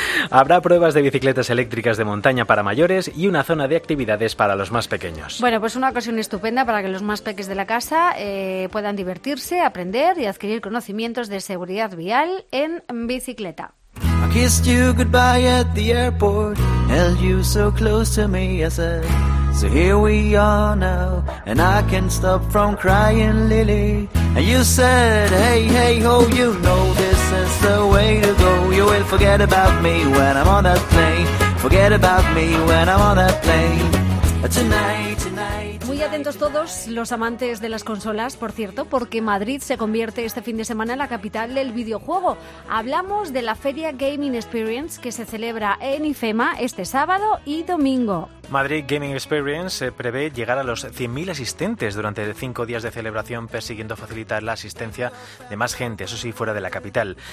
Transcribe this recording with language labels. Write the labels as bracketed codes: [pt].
[es] Habrá pruebas de bicicletas eléctricas de montaña para mayores y una zona de actividades para los más pequeños. Bueno, pues una ocasión estupenda para que los más peques de la casa puedan divertirse, aprender y adquirir conocimientos de seguridad vial en bicicleta. [en] I kissed you goodbye at the airport, held you so close to me, I said, so here we are now, and I can't stop from crying, Lily. And you said, hey, hey, ho, you know this is the way to go. You will forget about me when I'm on that plane. Forget about me when I'm on that plane. [es] Muy atentos todos los amantes de las consolas, por cierto, porque Madrid se convierte este fin de semana en la capital del videojuego. Hablamos de la Feria Gaming Experience que se celebra en IFEMA este sábado y domingo. Madrid Gaming Experience prevé llegar a los 100.000 asistentes durante 5 días de celebración, persiguiendo facilitar la asistencia de más gente, eso sí, fuera de la capital.